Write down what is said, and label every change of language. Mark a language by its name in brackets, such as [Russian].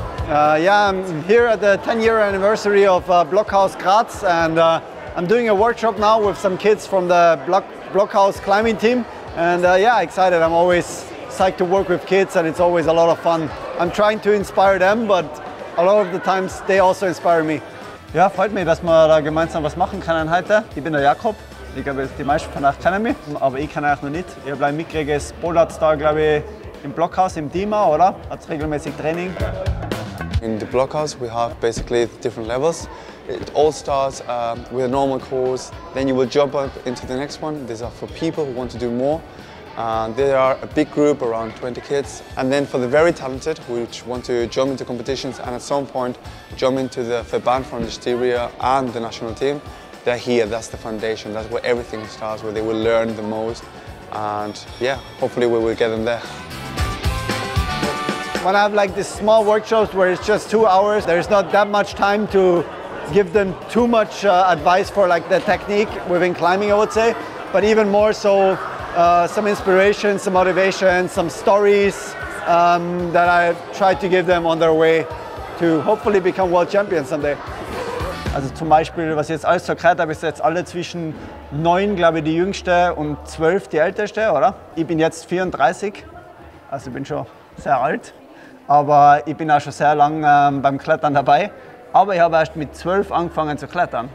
[English] I'm here at the 10-year anniversary of BLOC House Graz, and I'm doing a workshop now with some kids from the BLOC House climbing team. And excited. I'm always psyched to work with kids, and it's always a lot of fun. I'm trying to inspire them, but a lot of the times they also inspire me. [German] Ja, freut mich, dass wir da gemeinsam was machen können heute. Ich bin der Jakob. Ich glaube, die meisten von euch kennen mich, aber ich kenne euch noch nicht. Ihr bleibt mitkriegen, es bouldert da, glaube ich, im BLOC House, im Team, oder? Hat regelmäßig Training. [English] In the BLOC House, we have basically different levels. It all starts with a normal course. Then you will jump up into the next one. These are for people who want to do more. There are a big group, around 20 kids. And then for the very talented, which want to jump into competitions and at some point jump into the Verband from the Styria and the national team, they're here. That's the foundation. That's where everything starts, where they will learn the most. And yeah, hopefully we will get them there. When I have like these small workshops where it's just 2 hours, there's not that much time to give them too much advice for like the technique within climbing, I would say. But even more so, some inspiration, some motivation, some stories that I try to give them on their way to hopefully become world champion someday. [German] Also zum Beispiel, was ich jetzt alles so gehört habe, ist jetzt alle zwischen 9, glaube ich, die jüngste und 12 die älteste, oder? Ich bin jetzt 34, also ich bin schon sehr alt. Aber ich bin auch schon sehr lange beim Klettern dabei. Aber ich habe erst mit 12 angefangen zu klettern.